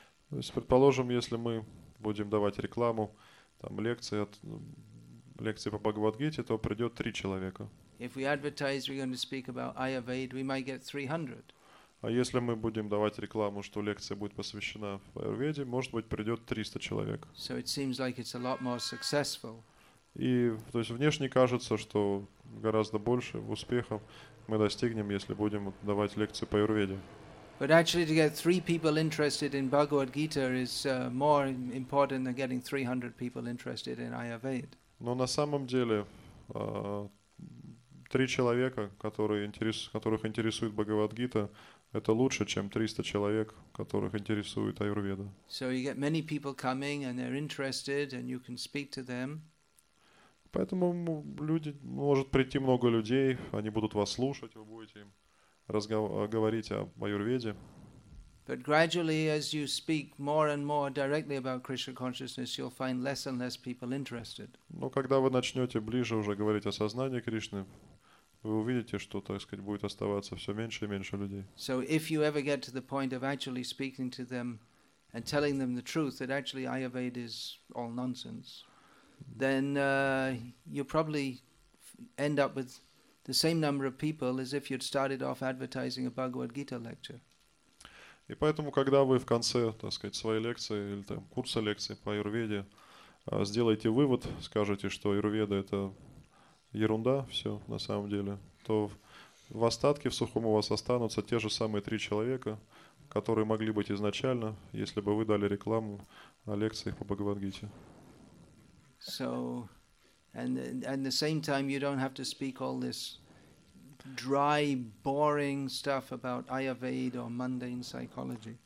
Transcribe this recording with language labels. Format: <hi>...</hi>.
<ru>То есть, предположим, если мы будем давать рекламу, там лекции от лекции по Бхагавадгите, то придет 3 человека.</ru> <en>If we advertise we're going to speak about Ayurveda, we might get 300.</en> <ru>А если мы будем давать рекламу, что лекция будет посвящена Аюрведе, может быть, придет 300 человек.</ru> <en>So it seems like it's a lot more successful.</en> <ru>И, то есть, внешне кажется, что гораздо больше успехов мы достигнем, если будем давать лекции по Аюрведе.</ru> <en>But actually, to get 3 people interested in Bhagavad Gita is more important than getting 300 people interested in Ayurveda.</en> <ru>Но на самом деле, 3 человека, которых интересует Бхагавадгита, это лучше, чем 300 человек, которых интересует Аюрведа.</ru> <en>So you get many people coming and they're interested and you can speak to them.</en> <ru>Поэтому люди, может прийти много людей, они будут вас слушать, вы будете им говорить о Аюрведе.</ru> <en>But gradually as you speak more and more directly about Krishna consciousness, you'll find less and less people interested.</en> <ru>Но когда вы начнете ближе уже говорить о сознании Кришны, вы увидите, что, так сказать, будет оставаться все меньше и меньше людей.</ru> <en>So if you ever get to the point of actually speaking to them and telling them the truth, that actually Ayurveda is all nonsense, then you probably end up with the same number of people as if you'd started off advertising a Bhagavad Gita lecture.</en> <ru>И поэтому, когда вы в конце, так сказать, своей лекции или там курса лекции по Аюрведе сделаете вывод, скажете, что Аюрведа — это ерунда, все на самом деле, то в остатке, в сухом, у вас останутся те же самые 3 человека, которые могли быть изначально, если бы вы дали рекламу о лекциях по Бхагавадгите.</ru> <en>So, and at the same time, you don't have to speak all this dry, boring stuff about Ayurveda or mundane psychology.</en>